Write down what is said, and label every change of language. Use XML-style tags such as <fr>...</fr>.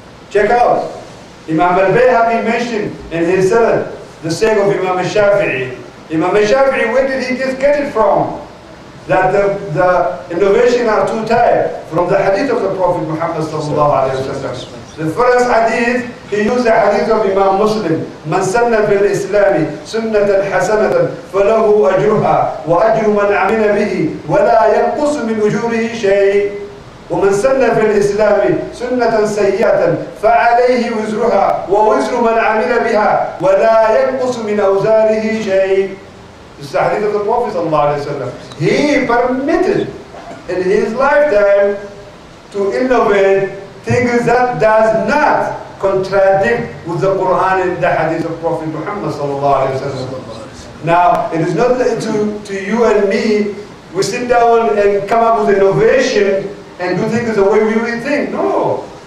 <en>Check out, Imam al-Bayhaqi mentioned in his salat the saying of Imam al-Shafi'i. Imam al-Shafi'i, where did he just get it from? That the innovation are two types, from the hadith of the Prophet Muhammad sallallahu alayhi wa sallam. The first hadith, he used the hadith of Imam Muslim.</en> <ar>مَنْ سَنَّ فِي الْإِسْلَامِ سُنَّةً حَسَنَةً فَلَهُ أَجْرُهَا وَأَجْرُ مَنْ عَمِنَ بِهِ وَلَا يَنْقُصُ مِنْ أُجُورِهِ شَيْءٍ ومن سن في الإسلام سنة سيئة فعليه وزرها ووزر من عمل بها ولا ينقص من أوزاره شيء.</ar> <en>This is the hadith of the Prophet صلى الله عليه وسلم. He permitted in his lifetime to innovate things that does not contradict with the Quran and the hadith of Prophet Muhammad صلى الله عليه وسلم. Now it is not to you and me, we sit down and come up with innovation and do things the way we really think. No.</en>